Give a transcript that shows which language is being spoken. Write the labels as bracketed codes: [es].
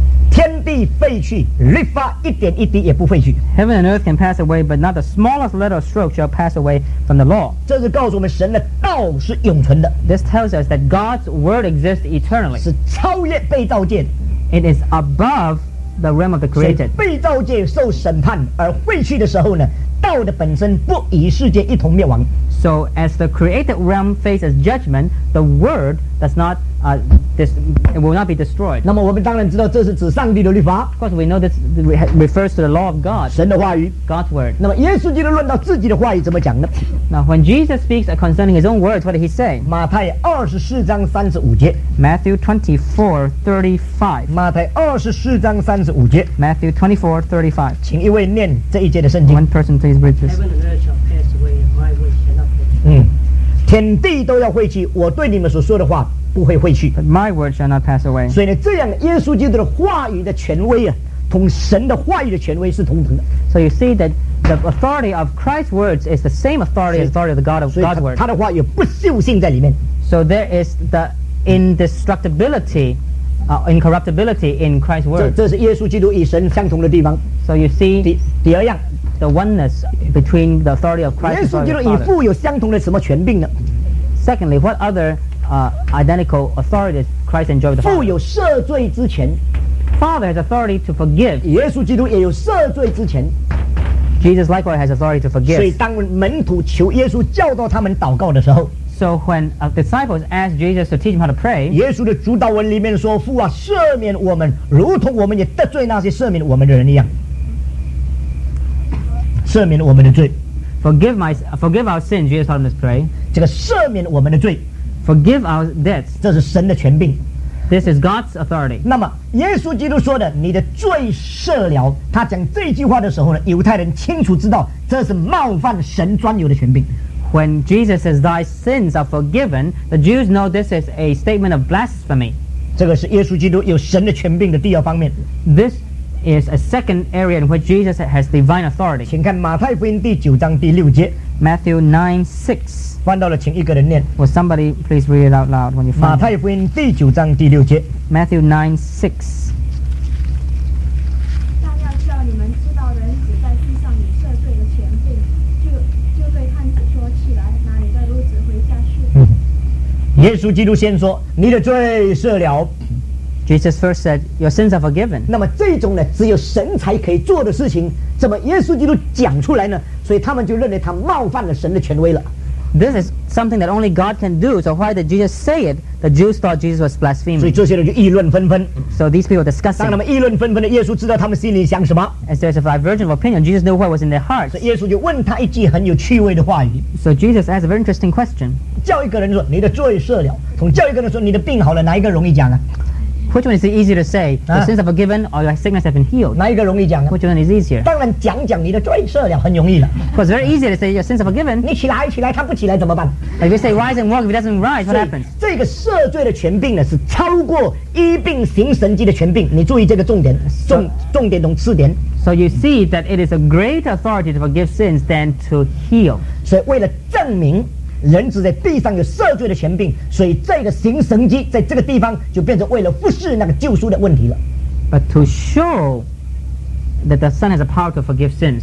[zh] 天地废去，律法一点一滴也不废去。 [en] Heaven and earth can pass away, but not the smallest letter or stroke shall pass away from the law. [zh] 这是告诉我们神的道是永存的。 [en] This tells us that God's word exists eternally. [zh] 是超越被造界。 [en] It is above the realm of the created. [zh] 被造界受审判而废去的时候呢，道的本身不与世界一同灭亡。 [en] So as the created realm faces judgment, the word does not it will not be destroyed. [zh] 那么我们当然知道这是指上帝的律法。 [en] Of course, we know this refers to the law of God. [zh] 神的话语。 [en] God's word. [zh] 那么耶稣基督论到自己的话语怎么讲呢？ [en] Now when Jesus speaks concerning his own words, what did he say? [zh] 马太二十四章三十五节。 [en] Matthew 24:35. [zh] 马太二十四章三十五节。 [en] Matthew 24:35. [zh] 请一位念这一节的圣经。 [en] One person, please read this. Heaven and earth shall pass away, and my word shall not pass away. [zh] 天地都要废去，我对你们所说的话不会废去。 [en] But my word shall not pass away. [zh] 所以呢，这样耶稣基督的话语的权威啊，同神的话语的权威是同等的。 [en] So you see that the authority of Christ's words is the same authority as the authority of the God of God's word. [zh] 他的话有不朽性在里面。 [en] So there is the indestructibility, incorruptibility in Christ's word. [zh] 这是耶稣基督与神相同的地方。 [en] So you see, [zh] 第二样。 [en] The oneness between the authority of Christ and the Father. [zh] 耶稣基督与父有相同的什么权柄呢？ [en] Secondly, what other identical authorities Christ enjoyed with the Father? [zh] 父有赦罪之权。 [en] Father has authority to forgive. [zh] 耶稣基督也有赦罪之权。 [en] Jesus likewise has authority to forgive. [zh] 所以当门徒求耶稣教导他们祷告的时候。 [en] So when disciples asked Jesus to teach them how to pray, [zh] 耶稣的主导文里面说，父啊，赦免我们，如同我们也得罪那些赦免我们的人一样。赦免我们的罪。 [en] Forgive our sins, Jesus told him to pray. [zh] 这个赦免我们的罪。 [en] Forgive our debts. [zh] 这是神的权柄。 [en] This is God's authority. [zh] 那么耶稣基督说的你的罪赦了，他讲这句话的时候呢，犹太人清楚知道这是冒犯神专有的权柄。 [en] When Jesus says thy sins are forgiven, the Jews know this is a statement of blasphemy. [zh] 这个是耶稣基督有神的权柄的第二方面。 [en] This is a second area in which Jesus has divine authority. [zh] 请看马太福音第九章第六节。 [en] Matthew 9:6. [zh] 翻到了，请一个人念。 [en] Will somebody please read it out loud when you find it? [zh] 马太福音第九章第六节。 [en] Matthew 9:6. [zh] 但要叫你们知道，人子在地上有赦罪的权柄，就对探子说：“起来，拿你的褥子回家去。” 耶稣基督先说：“你的罪赦了。” [en] Jesus first said, "Your sins are forgiven." [zh] 那么这种呢，只有神才可以做的事情，怎么耶稣基督讲出来呢？所以他们就认为他冒犯了神的权威了。 [en] This is something that only God can do. So why did Jesus say it? The Jews thought Jesus was blaspheming. [zh] 所以这些人就议论纷纷。 [en] So these people discussing. [zh] 当他们议论纷纷的，耶稣知道他们心里想什么。 [en] As there's a divergence of opinion, Jesus knew what was in their hearts. [zh] 所以耶稣就问他一句很有趣味的话语。 [en] So Jesus asked a very interesting question. [zh] 叫一个人说你的罪赦了，从叫一个人说你的病好了，哪一个容易讲啊？ [en] Which one is easier to say? Your sins are forgiven or your sickness has been healed? [zh] 哪一个容易讲呢？ [en] Which one is easier? [zh] 当然讲讲你的罪赦了，很容易了。 [en] Because it's very easy to say your sins are forgiven. [zh] 你起来，起来，他不起来怎么办？ [en] If you say rise and walk, if he doesn't rise, what happens? [zh] 这个赦罪的权柄呢，是超过医病行神迹的权柄。你注意这个重点，重点同次点。 [en] So you see that it is a greater authority to forgive sins than to heal. [zh] 所以为了证明人子在地上有赦罪的权柄，所以这个行神迹在这个地方就变成为了服侍那个救赎的问题了。 [en] But to show that the Son has a power to forgive sins,